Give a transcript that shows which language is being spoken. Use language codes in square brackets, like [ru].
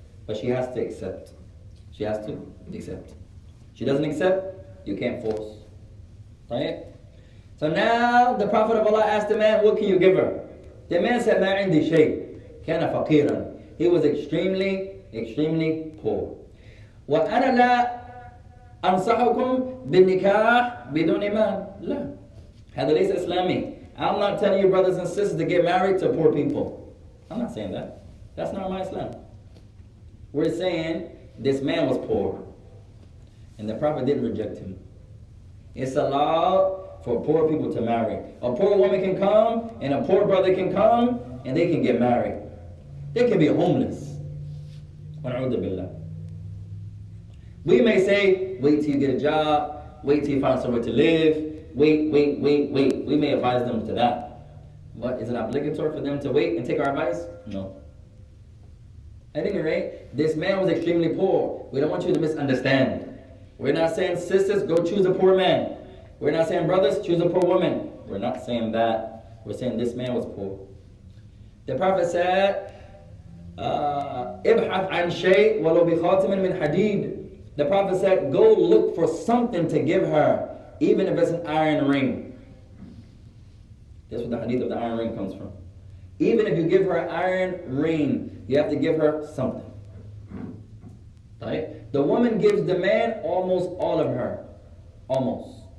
[en] But she has to accept. She has to accept. She doesn't accept, you can't force. Right? So now the Prophet of Allah asked the man, what can you give her? The man said, [ar] ma indi shay, kana faqiran. [en] He was extremely, extremely poor. [ar] Wa ana la أنصحكم بالنكاح بدون إيمان. لا. هذا ليس إسلامي. [en] I'm not telling you brothers and sisters to get married to poor people. I'm not saying that. That's not my Islam. We're saying this man was poor. And the Prophet didn't reject him. It's allowed for poor people to marry. A poor woman can come and a poor brother can come and they can get married. They can be homeless. [ar] ونعوذ بالله. [en] We may say, wait till you get a job, wait till you find somewhere to live, wait. We may advise them to that. But is it obligatory for them to wait and take our advice? No. At any rate, this man was extremely poor. We don't want you to misunderstand. We're not saying, sisters, go choose a poor man. We're not saying, brothers, choose a poor woman. We're not saying that. We're saying this man was poor. The Prophet said, [ar] إِبْحَثْ عَنْ شَيْءٍ وَلَوْ بِخَاتِمٍ مِنْ حَدِيدٍ. [en] The Prophet said, go look for something to give her, even if it's an iron ring. That's where the hadith of the iron ring comes from. Even if you give her an iron ring, you have to give her something. Right? The woman gives the man almost all of her. Almost.